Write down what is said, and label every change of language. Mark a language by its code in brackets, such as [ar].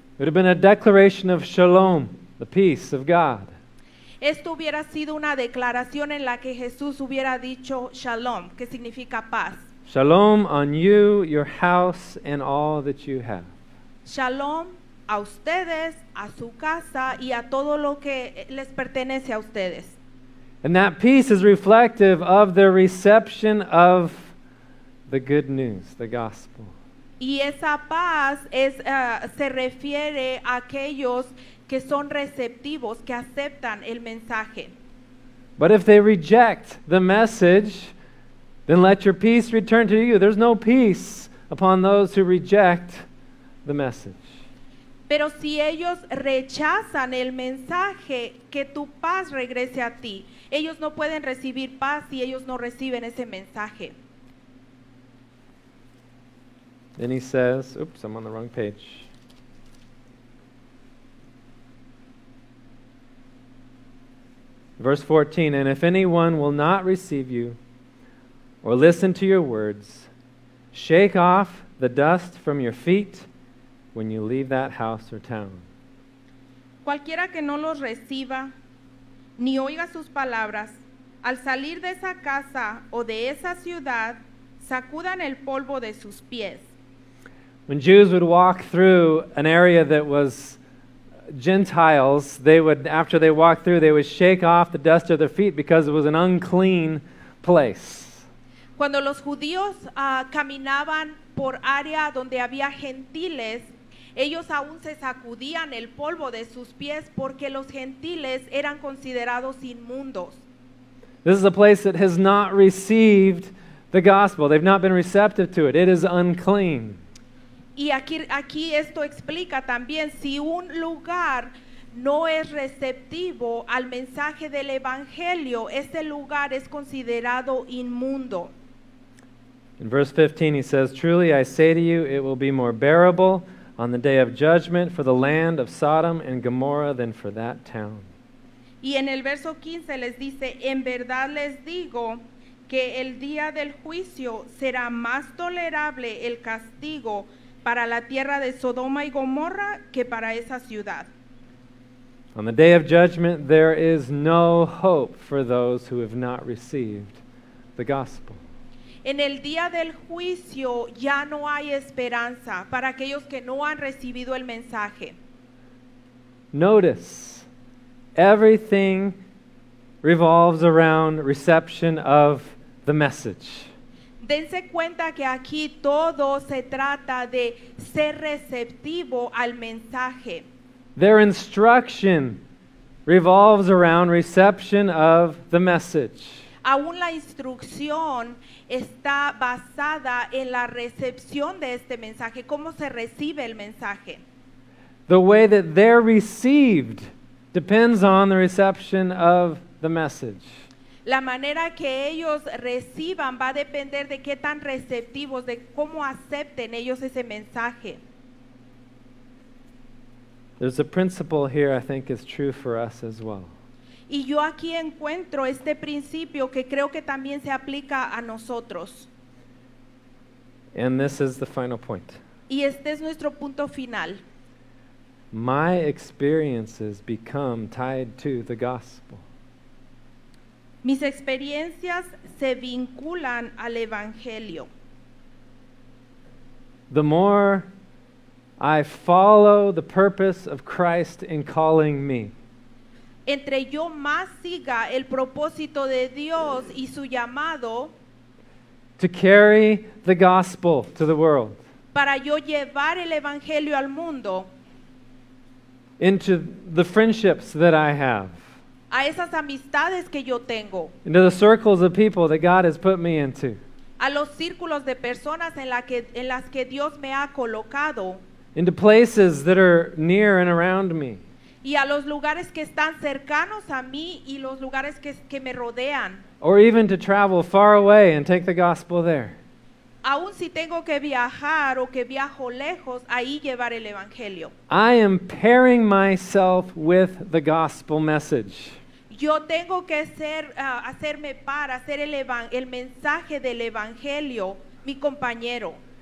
[en] It would have been a declaration of shalom, the peace of God. [es] Esto hubiera sido una declaración en la que Jesús hubiera dicho shalom, que significa paz. [en] Shalom on you, your house, and all that you have. [es] Shalom a ustedes, a su casa, y a todo lo que les pertenece a ustedes. [en] And that peace is reflective of the reception of the good news, the gospel. [es] Y esa paz es se refiere a aquellos que son receptivos, que aceptan el mensaje. [en] But if they reject the message, then let your peace return to you. There's no peace upon those who reject the message. [es] Pero si ellos rechazan el mensaje, que tu paz regrese a ti. Ellos no pueden recibir paz si ellos no reciben ese mensaje. [en] Then he says, oops, I'm on the wrong page. Verse 14, and if anyone will not receive you or listen to your words, shake off the dust from your feet when you leave that house or town. [es] Cualquiera que no los reciba ni oiga sus palabras, al salir de esa casa o de esa ciudad, sacudan el polvo de sus pies. [en] When Jews would walk through an area that was Gentiles, they would, after they walked through, they would shake off the dust of their feet because it was an unclean place. [es] Cuando los judíos caminaban por área donde había gentiles, Ellos aún se sacudían el polvo de sus pies porque los gentiles eran considerados inmundos. [en] This is a place that has not received the gospel. They've not been receptive to it. It is unclean. [es] Y aquí esto explica también si un lugar no es receptivo al mensaje del evangelio, ese lugar es considerado inmundo. [en] In verse 15 he says, "Truly I say to you, it will be more bearable on the day of judgment for the land of Sodom and Gomorrah than for that town." [es] Y en el verso 15 les dice, "En verdad les digo que el día del juicio será más tolerable el castigo para la tierra de Sodoma y Gomorra que para esa ciudad." [en] On the day of judgment, there is no hope for those who have not received the gospel. [es] En el día del juicio, ya no hay esperanza para aquellos que no han recibido el mensaje. [en] Notice, everything revolves around reception of the message. [es] Dense cuenta que aquí todo se trata de ser receptivo al mensaje. [en] Their instruction revolves around reception of the message. [es] Aún la instrucción está basada en la recepción de este mensaje. ¿Cómo se recibe el mensaje? [en] The way that they're received depends on the reception of the message. [es] La manera que ellos reciban va a depender de qué tan receptivos, de cómo acepten ellos ese mensaje. [en] There's a principle here I think is true for us as well. [es] Y yo aquí encuentro este principio que creo que también se aplica a nosotros. [en] And this is the final point. [es] Y este es nuestro punto final. [en] My experiences become tied to the gospel. [es] Mis experiencias se vinculan al evangelio. [en] The more I follow the purpose of Christ in calling me, [es] entre yo más siga el propósito de Dios y su llamado, [en] to carry the gospel to the world, [es] para yo llevar el evangelio al mundo, [en] into the friendships that I have, [es] a esas amistades que yo tengo, [en] into the circles of people that God has put me into, [es] a los círculos de personas en las que Dios me ha colocado, [en] into places that are near and around me, [es] y a los lugares que están cercanos a mí y los lugares que me rodean, [en] or even to travel far away and take the gospel there, [es] aun si tengo que viajar o que viajo lejos, ahí llevar el evangelio. [en] I am pairing myself with the gospel message. [es] Yo tengo que ser hacerme para hacer el mensaje del evangelio mi compañero.